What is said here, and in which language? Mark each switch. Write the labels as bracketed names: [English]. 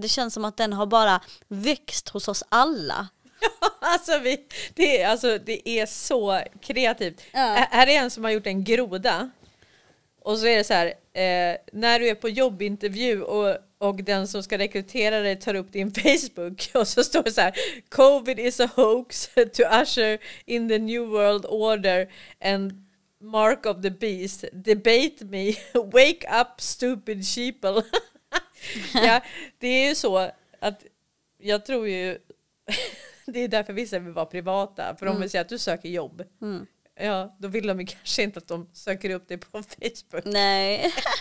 [Swedish] Det känns som att den har bara växt hos oss alla. Ja, alltså, det är så kreativt. Ja. Här är en som har gjort en groda. Och så är det så här. När du är på jobbintervju och den som ska rekrytera dig tar upp din Facebook. Och så står det så här. [English] COVID is a hoax to usher in the new world order and mark of the beast. Debate me. Wake up stupid sheeple. [Swedish] Ja, det är ju så att jag tror ju... Det är därför vissa vill vara privata. För de vill säga att du söker jobb. Mm. Ja, då vill de kanske inte att de söker upp dig på Facebook. Nej.